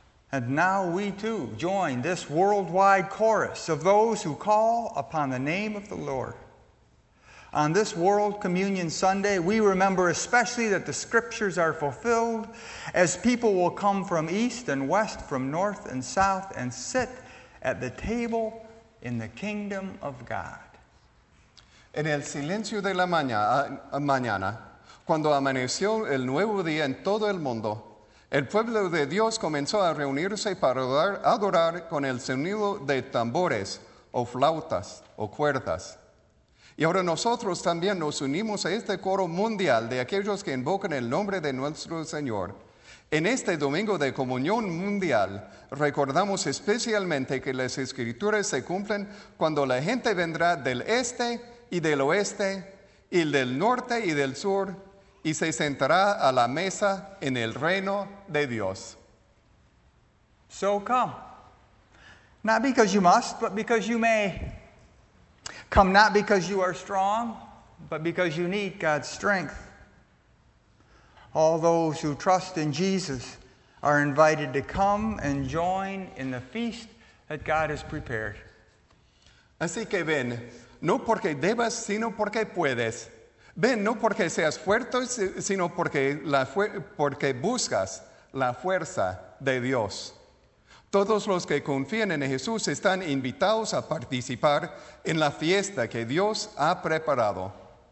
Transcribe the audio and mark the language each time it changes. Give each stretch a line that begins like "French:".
English: And now we too join this worldwide chorus of those who call upon the name of the Lord. On this World Communion Sunday, we remember especially that the scriptures are fulfilled as people will come from east and west, from north and south, and sit at the table in the kingdom of God.
Spanish: En el silencio de la mañana, cuando amaneció el nuevo día en todo el mundo, el pueblo de Dios comenzó a reunirse para adorar con el sonido de tambores o flautas o cuerdas. Y ahora nosotros también nos unimos a este coro mundial de aquellos que invocan el nombre de nuestro Señor. En este domingo de comunión mundial, recordamos especialmente que las Escrituras se cumplen cuando la gente vendrá del este y del oeste, y del norte y del sur, y se sentará a la mesa en el reino de Dios.
English: So come, not because you must, but because you may. Come not because you are strong, but because you need God's strength. All those who trust in Jesus are invited to come and join in the feast that God has prepared.
Spanish: Así que ven, no porque debas, sino porque puedes. Ven, no porque seas fuerte, sino porque buscas la fuerza de Dios. Todos los que confían en Jesús están invitados a participar en la fiesta que Dios ha preparado.